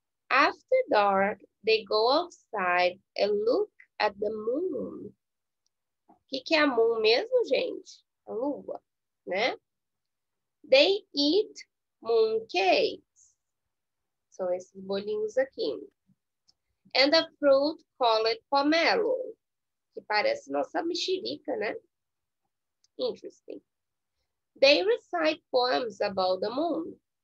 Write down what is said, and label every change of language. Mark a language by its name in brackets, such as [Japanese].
[English] After dark, they go outside and look at the moon. [Portuguese] O que é a moon mesmo, gente? A lua, né? [English] They eat moon cakes. [Portuguese] São esses bolinhos aqui. [English] And a fruit called pomelo. [Portuguese] Que parece nossa mexerica, né? [English] Interesting. They recite poems about the moon.